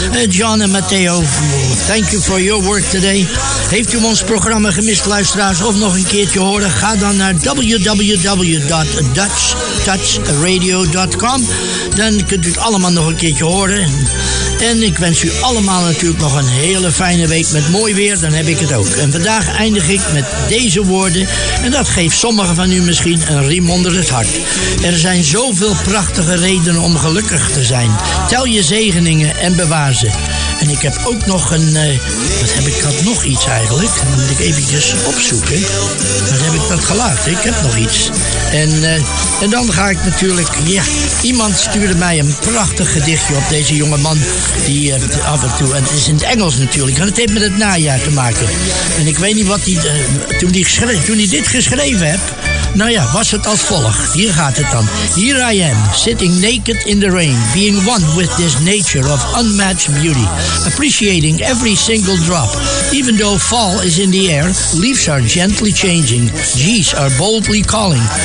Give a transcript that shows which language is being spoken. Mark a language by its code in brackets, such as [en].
[en] John en Matteo, thank you for your work today. [nl] Heeft u ons programma gemist, luisteraars, of nog een keertje horen, ga dan naar www.dutchtouchradio.com. Dan kunt u het allemaal nog een keertje horen. En ik wens u allemaal natuurlijk nog een hele fijne week met mooi weer, dan heb ik het ook. En vandaag eindig ik met deze woorden, en dat geeft sommigen van u misschien een riem onder het hart. Er zijn zoveel prachtige redenen om gelukkig te zijn. Tel je zegeningen en bewaar ze. En ik heb ook nog een, wat heb ik nog iets eigenlijk? Dat moet ik eventjes opzoeken. Wat heb ik dat gelaten? Ik heb nog iets. En dan ga ik natuurlijk, ja, iemand stuurde mij een prachtig gedichtje op deze jonge man. Die af en toe, en het is in het Engels natuurlijk, en het heeft met het najaar te maken. En ik weet niet wat hij, toen hij dit geschreven heeft, nou ja, was het als volgt. Hier gaat het dan. [en] Here I am, sitting naked in the rain, being one with this nature of unmatched beauty, appreciating every single drop. Even though fall is in the air, leaves are gently changing, geese are boldly calling.